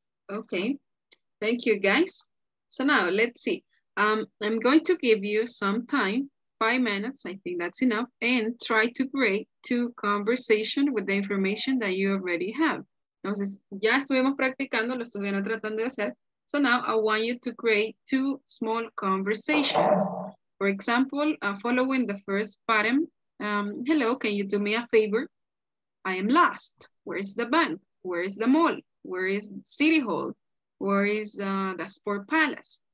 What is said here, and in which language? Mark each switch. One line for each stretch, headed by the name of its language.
English: Okay, thank you guys. So now let's see. I'm going to give you some time, 5 minutes, I think that's enough, and try to create 2 conversations with the information that you already have.
Spanish: Entonces, ya estuvimos practicando, lo estuvieron tratando de hacer.
English: So now I want you to create 2 small conversations. For example, following the first pattern, hello, can you do me a favor? I am lost. Where is the bank? Where is the mall? Where is City Hall? Where is the Sport Palace?